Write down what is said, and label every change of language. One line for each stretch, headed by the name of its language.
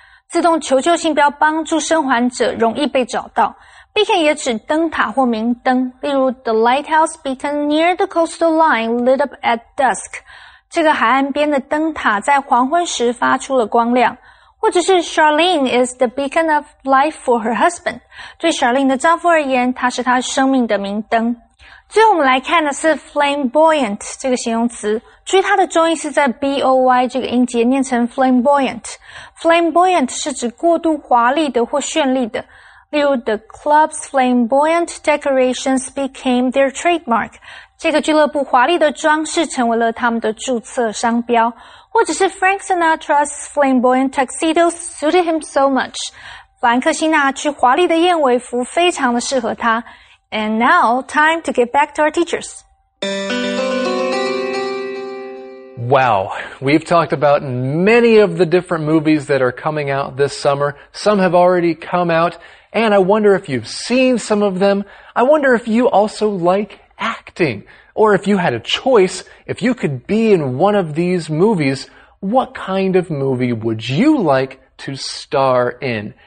Chinese: 自动求救信标帮助生还者容易被找到。 beacon 也指灯塔或明灯。例如
English: the lighthouse beacon near the coastal line lit up at dusk。
Chinese: 这个海岸边的灯塔在黄昏时发出了光亮，或者是
English: Charlene is the beacon of life for her husband.
Chinese: 对 Charlene 的丈夫而言，她是她生命的明灯。最后我们来看的是 flamboyant 这个形容词，注意它的重音是在 B-O-Y 这个音节，念成 flamboyant。 flamboyant 是指过度华丽的或绚丽的。例如
English: the club's flamboyant decorations became their trademark。
Chinese: 这个俱乐部华丽的装饰成为了他们的注册商标，或者是
English: Frank Sinatra's flamboyant tuxedos suited him so much.
Chinese: 法兰克辛纳去华丽的燕尾服非常的适合他。
English: And now, time to get back to our teachers. Wow, we've talked about many of the different movies that are coming out this summer. Some have already come out, and I wonder if you've seen some of them. I wonder if you also like acting, or if you had a choice, if you could be in one of these movies, what kind of movie would you like to star in?